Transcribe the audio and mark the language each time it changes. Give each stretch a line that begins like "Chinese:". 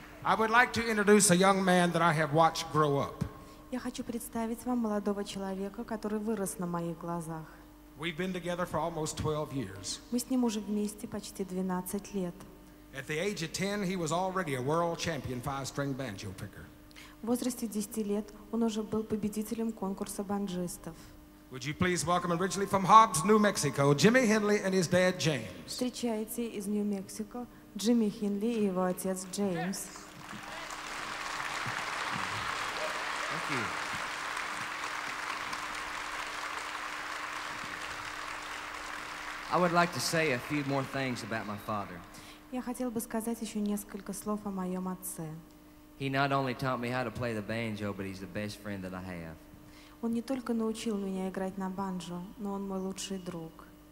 English: I would like to introduce a young man that I have watched grow up.
Russian: Я хочу представить вам молодого человека, который вырос на моих глазах.
English: We've been together for almost 12 years.
Russian: Мы с ним уже вместе почти 12 лет.
English: At the age of 10, he was already a world champion five-string banjo picker.
Russian: В возрасте 10 лет он уже был победителем конкурса банджистов.
English: Would you please welcome originally from Hobbs, New Mexico, Jimmy Henley and his dad James.
Russian: Встречайте из Нью-Мексико Джимми Хинли и его отец Джеймс.
English: I would like to say a few more things about my father.
Russian: Я хотел бы сказать еще несколько слов о моем отце.
English: He not only taught me how to play the banjo, but he's the best friend that I have.
Russian: Он не только научил меня играть на банджо, но он мой лучший друг.